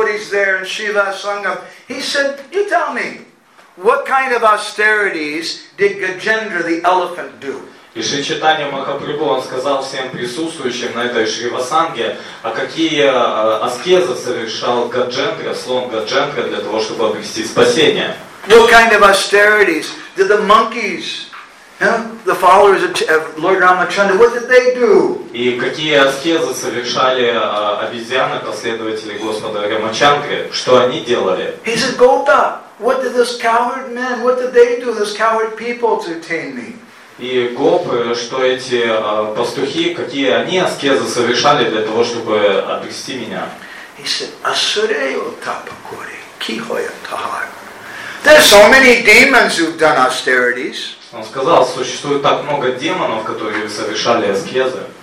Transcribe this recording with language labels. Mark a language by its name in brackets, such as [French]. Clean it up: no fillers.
[English] There in Shiva Sangam, he said, "You tell me, what kind of austerities did Gajendra the elephant do?" [Russian] И Шри Чайтанья Махапрабху, он сказал всем присутствующим на этой Шривасанге, а какие аскезы совершал Гаджендра, слон Гаджендра, для того, чтобы обрести спасение. [English] What kind of austerities did the monkeys, the followers of Lord Ramachandra, what did they do? [Russian] И какие аскезы совершали обезьяны, последователи Господа Рамачандры, что они делали? [English] He said, Gopa, what did those coward men, what did they do, those coward people to attain me? [Russian] И гопы, что эти пастухи, какие они аскезы совершали для того, чтобы обрести меня? [English] He said, [Bangla] Asureyo tapakuri, kihoya tahar. [English] There's so many demons who've done austerities. [Russian] Он сказал, существует так много демонов, которые совершали аскезы.